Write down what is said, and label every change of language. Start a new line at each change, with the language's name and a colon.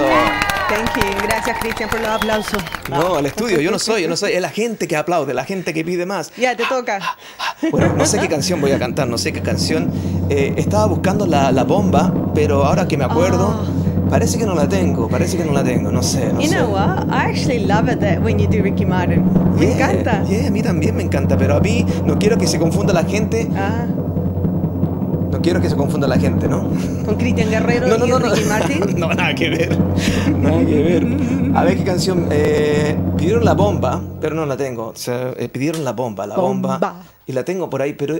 English: Thank you.
Spanish: Gracias, Cristian, por los aplausos. No, al estudio, yo no soy. Es la gente que aplaude, la gente que pide más. Ya, te toca. Bueno, no sé qué canción voy a cantar, estaba buscando la bomba, pero ahora que me acuerdo. Oh. Parece que no la tengo, no sé.
English: You know what? I actually love it that when you do Ricky Martin.
Spanish: Me encanta. Yeah, a mí también me encanta, pero a mí no quiero que se confunda la gente. No quiero que se confunda la gente, ¿no? ¿Con Cristian Guerrero y Ricky Martin? No, nada que ver. A ver qué canción. Pidieron la bomba, pero no la tengo. O sea, pidieron la bomba. Y la tengo por ahí, pero...